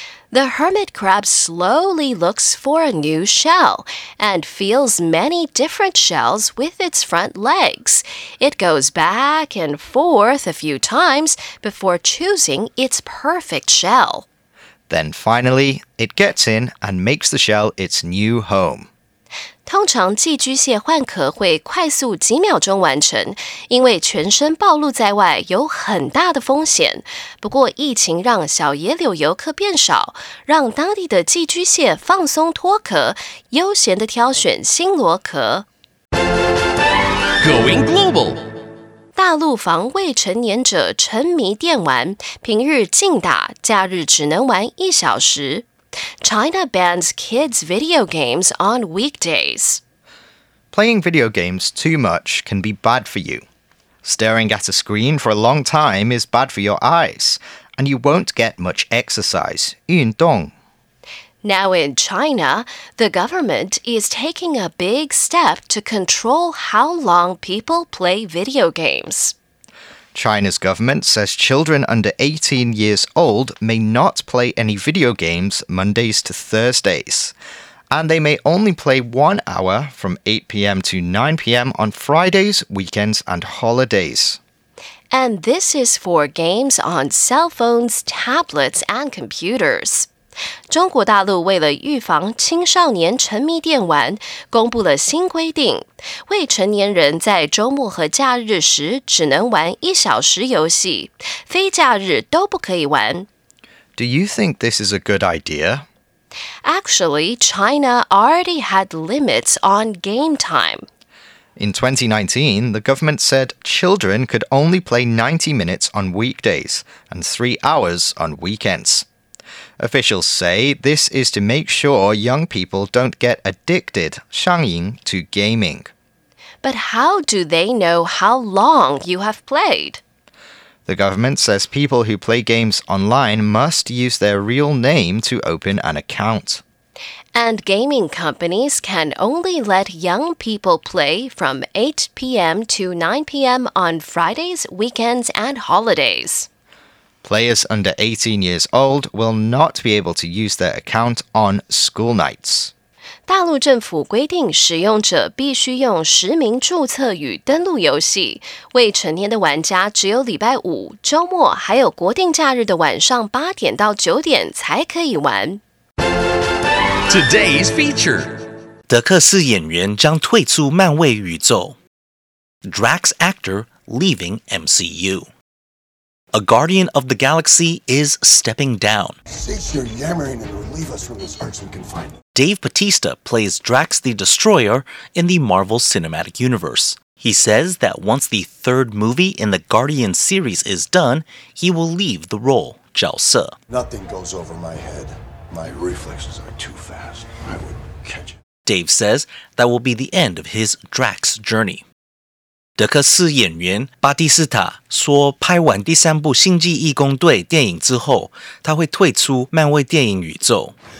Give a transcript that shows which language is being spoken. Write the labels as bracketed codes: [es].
[en] The hermit crab slowly looks for a new shell and feels many different shells with its front legs. It goes back and forth a few times before choosing its perfect shell. Then finally, it gets in and makes the shell its new home. [zh] 通常寄居蟹换壳会快速几秒钟完成，因为全身暴露在外有很大的风险。不过疫情让小野柳游客变少，让当地的寄居蟹放松脱壳，悠闲地挑选新螺壳。 [en] Going global. [zh] 大陆防未成年者沉迷电玩，平日禁打，假日只能玩一小时。 [en] China bans kids videogames on weekdays. Playing video games too much can be bad for you. Staring at a screen for a long time is bad for your eyes, and you won't get much exercise. [zh] 运动. [en] Now in China, the government is taking a big step to control how long people play video games. China's government says children under 18 years old may not play any video games Mondays to Thursdays, and they may only play 1 hour from 8 p.m. to 9 p.m. on Fridays, weekends, and holidays. And this is for games on cell phones, tablets, and computers. [zh] 中国大陆为了预防青少年沉迷电玩，公布了新规定，未成年人在周末和假日时只能玩一小时游戏，非假日都不可以玩。 [en] Do you think this is a good idea? Actually, China already had limits on game time. In 2019, the government said children could only play 90 minutes on weekdays and 3 hours on weekends. Officials say this is to make sure young people don't get addicted, 上瘾, to gaming. But how do they know how long you have played? The government says people who play games online must use their real name to open an account. And gaming companies can only let young people play from 8 p.m. to 9 p.m. on Fridays, weekends, and holidays. Players under 18 years old will not be able to use their account on school nights. [zh] 大陆政府规定使用者必须用实名注册与登录游戏。未成年的玩家只有礼拜五、周末还有国定假日的晚上八点到九点才可以玩。 [en] Today's feature. [zh] 德克斯演员将退出漫威宇宙。 [en] Drax Actor Leaving MCU. A guardian of the galaxy is stepping down. Cease your yammering and relieve us from this irksome confinement. Dave Bautista plays Drax the Destroyer in the Marvel Cinematic Universe. He says that once the third movie in the Guardian series is done, he will leave the role, Zhao Se. Nothing goes over my head. My reflexes are too fast. I would catch it. Dave says that will be the end of his Drax journey. [zh] 德克斯演员巴蒂斯塔说，拍完第三部《星际义工队》电影之后，他会退出漫威电影宇宙。